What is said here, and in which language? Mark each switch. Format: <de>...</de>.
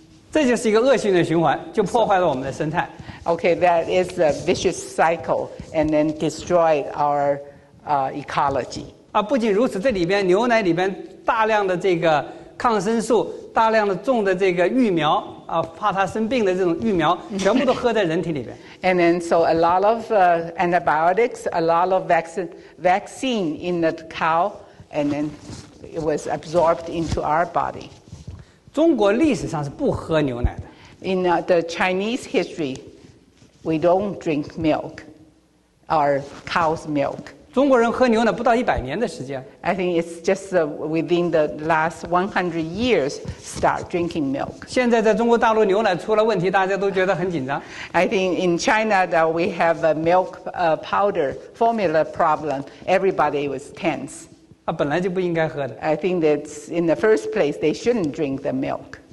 <zh>这就是一个恶性的循环，就破坏了我们的生态。</zh> <en>Okay, that is a vicious cycle, and then destroyed our ecology.</en> <zh>啊，不仅如此，这里边牛奶里边大量的这个抗生素，大量的种的这个育苗啊，怕它生病的这种育苗，全部都喝在人体里边。</zh> <en>And then so a lot of antibiotics, a lot of vaccine in the cow, and then. It was absorbed into our body.</en> <zh>中国历史上是不喝牛奶的。</zh> <en>In the Chinese history, we don't drink milk, our cow's milk.</en> <zh>中国人喝牛奶不到一百年的时间。</zh> <en>I think it's just within the last 100 years start drinking milk.</en> <zh>现在在中国大陆牛奶出了问题，大家都觉得很紧张。</zh> <en>I think in China that we have a milk powder formula problem, everybody was tense.</en> <zh>啊，本来就不应该喝的。</zh> <en>I think that in the first place they shouldn't drink the milk.</en>